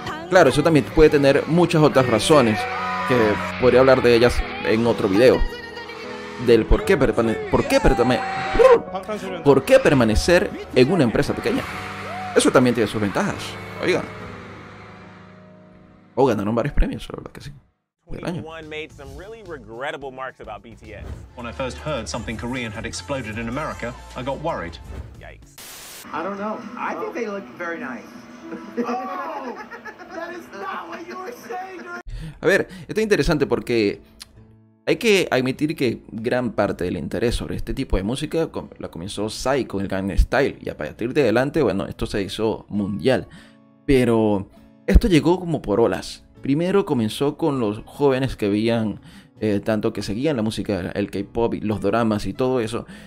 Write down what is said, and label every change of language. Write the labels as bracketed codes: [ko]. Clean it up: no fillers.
[es] Claro, eso también puede tener muchas otras razones que podría hablar de ellas en otro video. Del por qué permanecer en una empresa pequeña. Eso también tiene sus ventajas. Oiga. O ganaron varios premios, la verdad que sí. Del año. [en] One made some really regrettable marks about BTS. When I first heard something Korean had exploded in America, I got worried. Yikes. I don't know. I think they look very nice. Oh, that is not what you were saying. [es] A ver, esto es interesante porque hay que admitir que gran parte del interés sobre este tipo de música la comenzó Psy con el Gangnam Style. Y a partir de adelante, bueno, esto se hizo mundial. Pero esto llegó como por olas. Primero comenzó con los jóvenes que veían, tanto que seguían la música, el K-pop, los doramas y todo eso.